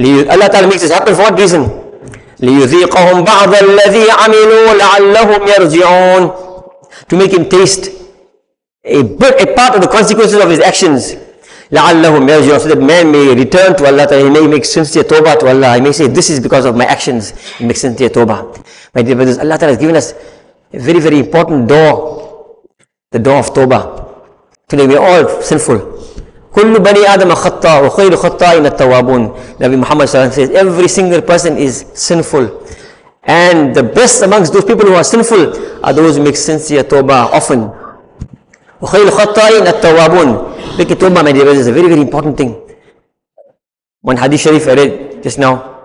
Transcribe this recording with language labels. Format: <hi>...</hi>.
<en>Allah Ta'ala makes this happen for what reason?</en> <ar>لِيُذِيقَهُمْ بَعْضَ الَّذِي عَمِلُوا لَعَلَّهُمْ يَرْجِعُونَ,</ar> <en>to make him taste a part of the consequences of his actions.</en> <ar>لَعَلَّهُمْ يَرْجِعُونَ,</ar> <en>so that man may return to Allah Ta'ala, he may make sincere tawbah to Allah, he may say, this is because of my actions, he makes sincere tawbah. My dear brothers, Allah Ta'ala has given us a very, very important door, the door of Tawbah. Today we are all sinful.</en> <ar>كل بني آدم خطأ وخير خطأين التوابون.</ar> <en>Nabi Muhammad SAW says, every single person is sinful. And the best amongst those people who are sinful are those who make sincere Tawbah often.</en> <ar>وخير خطأين التوابون.</ar> <en>Make a Tawbah, my dear brothers, is a very, very important thing. One Hadith Sharif I read just now.</en>